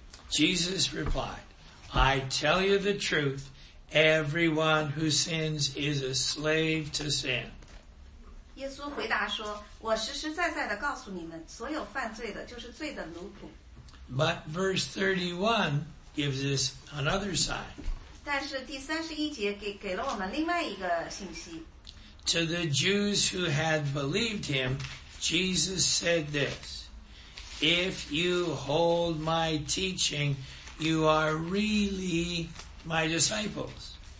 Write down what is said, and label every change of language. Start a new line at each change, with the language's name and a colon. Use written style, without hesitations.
English: Jesus replied, I tell you the truth, everyone who sins is a slave to sin.
Chinese: 耶稣回答说,我实实在在地告诉你们,所有犯罪的就是罪的奴仆。
English: But verse 31 gives us another sign.
Chinese: 但是第31节给了我们另外一个信息。
English: To the Jews who had believed him, Jesus said this, If you hold my teaching, you are really my disciples.